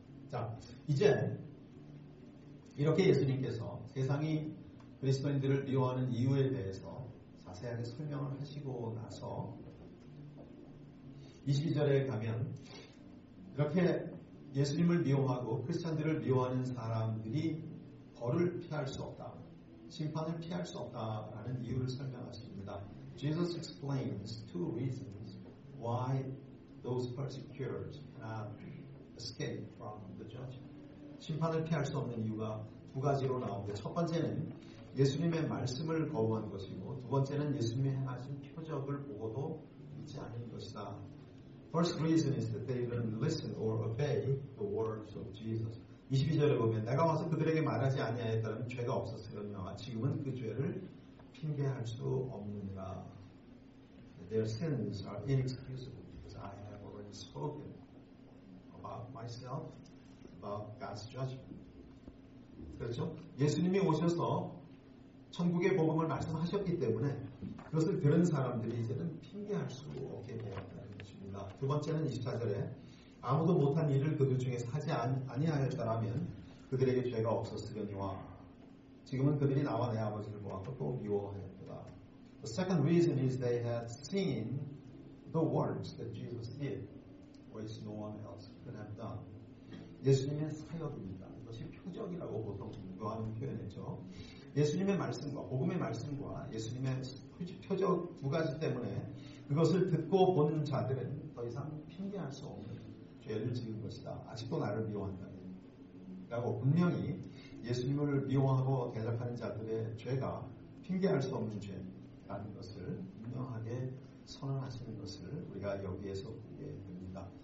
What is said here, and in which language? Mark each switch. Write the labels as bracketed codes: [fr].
[ko] 자, 이제 이렇게 예수님께서 세상이 그리스도인들을 미워하는 이유에 대해서 자세하게 설명을 하시고 나서 22절에 가면 이렇게 예수님을 미워하고 크리스찬들을 미워하는 사람들이 벌을 피할 수 없다. 심판을 피할 수 없다라는 이유를 설명하십니다. [en] Jesus explains two reasons why those persecuted cannot escape from the judgment. [ko] 심판을 피할 수 없는 이유가 두 가지로 나오는데 첫 번째는 예수님의 말씀을 거부한 것이고 두 번째는 예수님이 행하신 표적을 보고도 믿지 않은 것이다. [en] First reason is that they didn't listen or obey the words of Jesus. [ko] 22절에 보면 내가 와서 그들에게 말하지 아니하였다면 죄가 없었으려나 지금은 그 죄를 핑계할 수 없느니라. [en] Their sins are inexcusable because I have already spoken about myself, about God's judgment. [ko] 그렇죠? 예수님이 오셔서 천국의 복음을 말씀하셨기 때문에 그것을 들은 사람들이 이제는 핑계할 수 없게 되었다는 것입니다. 두 번째는 24절에 아무도 못한 일을 그들 중에서 하지 아니하였다라면 그들에게 죄가 없었으려니와 지금은 그들이 나와 내 아버지를 모아서 또 미워하였다. [en] The second reason is they had seen the works that Jesus did, which no one else could have done. [ko] 예수님의 사역입니다. 이것이 표적이라고 보통 묘하는 표현이죠. 예수님의 말씀과 복음의 말씀과 예수님의 표적 두 가지 때문에 그것을 듣고 본 자들은 더 이상 핑계할 수 없는 죄를 지은 것이다. 아직도 나를 미워한다면 라고 분명히 예수님을 미워하고 대적하는 자들의 죄가 핑계할 수 없는 죄라는 것을 분명하게 선언하시는 것을 우리가 여기에서 보게 됩니다.